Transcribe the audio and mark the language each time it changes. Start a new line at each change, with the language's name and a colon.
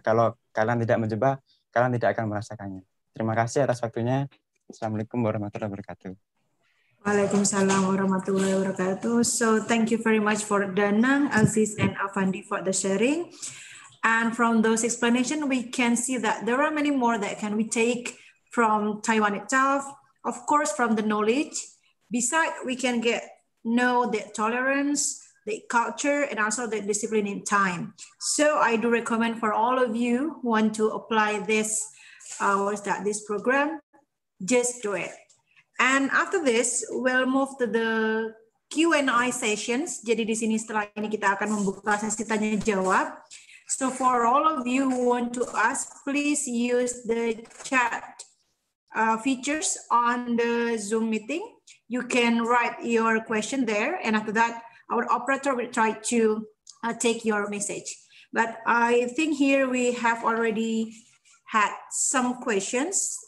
Indonesian: Kalau kalian tidak mencoba, kalian tidak akan merasakannya. Terima kasih atas waktunya. Assalamualaikum warahmatullahi wabarakatuh. Waalaikumsalam warahmatullahi wabarakatuh.
English: So thank you very much for Danang, Aziz, and Afandi for the sharing. And from those explanation, we can see that there are many more that can we take from Taiwan itself. Of course, from the knowledge. Besides, we can get know the tolerance, the culture, and also the discipline in time. So I do recommend for all of you who want to apply this, this program, just do it. And after this, we'll move to the Q&A sessions.
Indonesian: Jadi di sini setelah ini kita akan membuka sesi tanya jawab.
English: So for all of you who want to ask, please use the chat features on the Zoom meeting. You can write your question there, and after that, our operator will try to take your message. But I think here we have already had some questions.